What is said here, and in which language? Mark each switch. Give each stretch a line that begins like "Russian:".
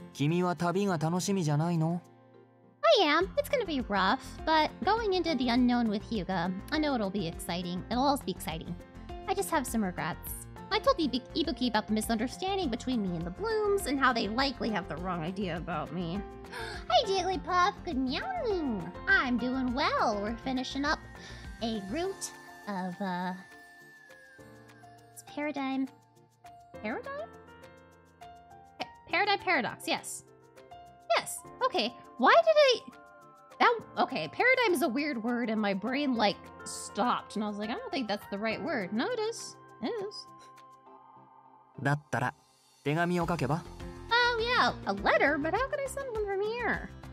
Japanese: またため息をついた。君は旅が楽しみじゃないの?
English: I am. It's gonna be rough, but going into the unknown with Hyuga, I know it'll be exciting. It'll always be exciting. I just have some regrets. I told Ibuki about the misunderstanding between me and the Blooms, and how they likely have the wrong idea about me. Hi, Jigglypuff! Good meowing! I'm doing well! We're finishing up a route of, it's Paradigm... Paradigm? Paradigm Paradox, yes. Yes! Okay, why did I... Okay, Paradigm is a weird word, and my brain, like, stopped. And I was like, I don't think that's the right word. No, it is. It is.
Japanese: だったら手紙を書けば?
English: Oh yeah, a letter, but how can I send one from here?